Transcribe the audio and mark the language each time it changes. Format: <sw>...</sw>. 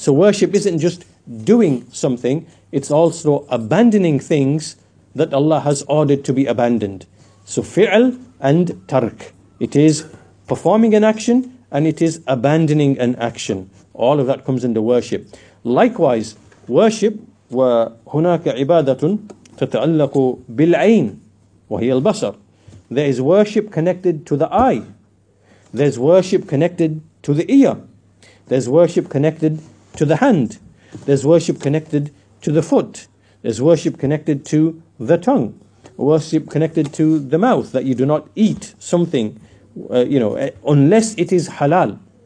<en>So worship isn't just doing something, it's also abandoning things that Allah has ordered to be abandoned. So fi'l and tark. It is performing an action and it is abandoning an action. All of that comes under worship. Likewise, worship,</en> <ar>وَهُنَاكَ عِبَادَةٌ تَتَعَلَّقُ بِالْعَيْنِ وَهِيَ الْبَصَرِ.</ar> <en>There is worship connected to the eye. There's worship connected to the ear. There's worship connected to the hand. There's worship connected to the foot. There's worship connected to the tongue. Worship connected to the mouth, that you do not eat something, unless it is halal.</en>